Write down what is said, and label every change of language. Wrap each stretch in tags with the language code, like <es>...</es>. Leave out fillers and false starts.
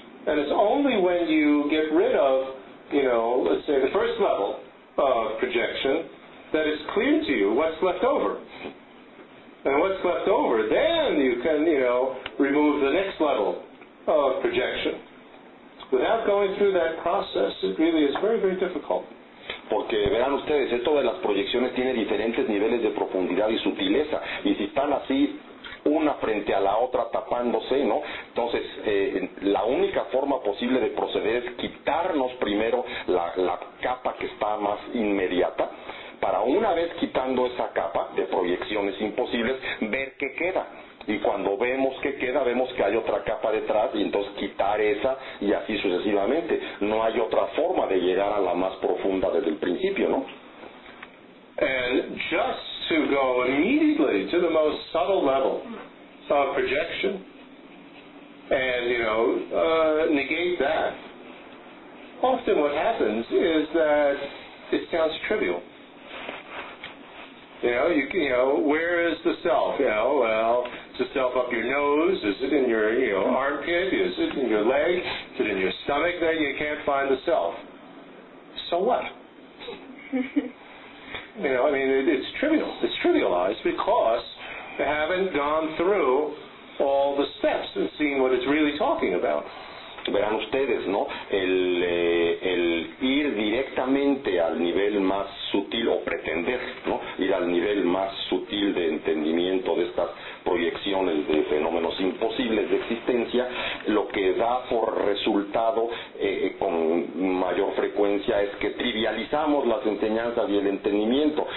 <en>And it's only when you get rid of, you know, let's say the first level of projection, that it's clear to you what's left over. And what's left over, then you can, you know, remove the next level of projection. Without going through that process, it really is very, very difficult.</en> <es>Porque verán ustedes, esto de las proyecciones tiene diferentes niveles de profundidad y sutileza. Y si están así una frente a la otra tapándose, ¿no? Entonces, la única forma posible de proceder es quitarnos primero la capa que está más inmediata, para una vez quitando esa capa de proyecciones imposibles, ver qué queda. Y cuando vemos qué queda, vemos que hay otra capa detrás, y entonces quitar esa, y así sucesivamente. No hay otra forma de llegar a la más profunda desde el principio, ¿no?</es> <en>And just to go immediately to the most subtle level of projection and, you know, negate that, often what happens is that it sounds trivial. You know, where is the self? You know, well, is the self up your nose? Is it in your, you know, armpit? Is it in your leg? Is it in your stomach? Then you can't find the self. So what? You know, I mean, it's trivial. It's trivialized because they haven't gone through all the steps and seen what it's really talking about.</en> <es>Verán ustedes, ¿no? El ir directamente al nivel más sutil, o pretender, ¿no? Ir al nivel más sutil de entendimiento de estas proyecciones de fenómenos imposibles de existencia, lo que da por resultado con mayor frecuencia es que trivializamos las enseñanzas y el entendimiento.</es>